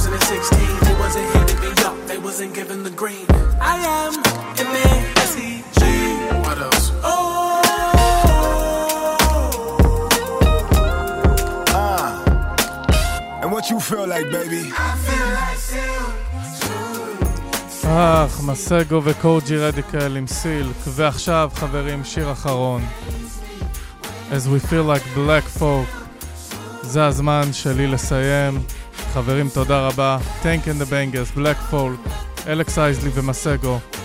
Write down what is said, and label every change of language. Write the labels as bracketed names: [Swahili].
[English] They wasn't hitting me up, they wasn't giving the green. I am in the SEG. What else? Oh. And what you feel like, baby? I feel like silk. [Hebrew] אך, מסגו וקורג'י רדיקל עם סילק. ועכשיו, חברים, שיר אחרון. [English] As we feel like black folk. [Hebrew] זה הזמן שלי לסיים. חברים, תודה רבה. Tank and the Bangers, Black Folk, Alex Isley ומסגו.